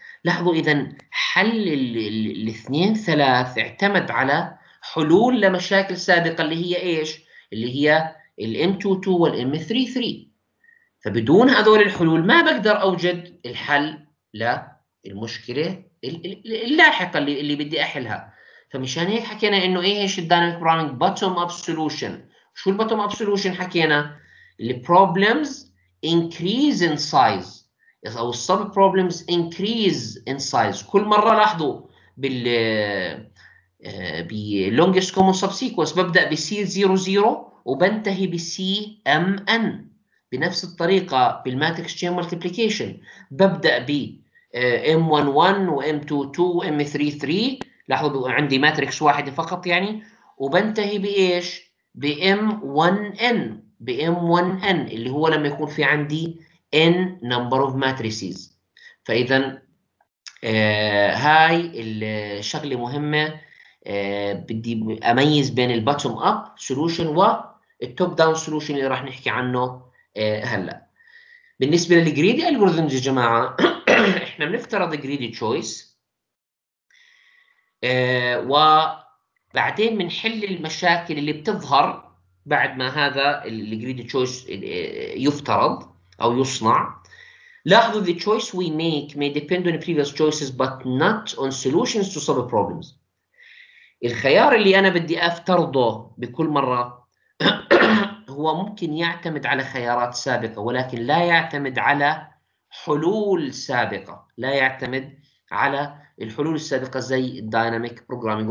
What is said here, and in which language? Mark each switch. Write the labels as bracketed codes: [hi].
[ar] لاحظوا إذا حل الاثنين ثلاث اعتمد على حلول لمشاكل سابقة اللي هي إيش؟ اللي هي الـ M22 والـ M33. فبدون هذول الحلول ما بقدر أوجد الحل للمشكلة اللاحقة اللي بدي أحلها. فمشان هيك حكينا إنه إيش الـ Dynamic Programming Bottom Up Solution. شو الـ Bottom Up Solution حكينا؟ الـ [en] Problems increase in size [ar] أو [en] sub problems increase in size. [ar] كل مرة لاحظوا بال longest common subsequence ببدأ ب C00 وبنتهي ب CMN. بنفس الطريقة بال matrix chain multiplication ببدأ ب M11 و M22 و M33. لاحظوا عندي matrix واحدة فقط يعني، وبنتهي بإيش؟ ب M1N. M1N اللي هو لما يكون في عندي N number of matrices. فإذا هاي الشغلة مهمة، بدي أميز بين الـ bottom up solution والـ top down solution اللي راح نحكي عنه هلأ. بالنسبة للـ greedy algorithms يا جماعة، احنا بنفترض greedy choice وبعدين بنحل المشاكل اللي بتظهر بعد ما هذا الجريد تشويس يفترض او يصنع. لاحظوا [en] the choice we make may depend on previous choices but not on solutions to solve problems. [ar] الخيار اللي أنا بدي أفترضه بكل مرة هو ممكن يعتمد على خيارات سابقة، ولكن لا يعتمد على حلول سابقة، لا يعتمد على الحلول السابقة زي الدايناميك بروجرامينج.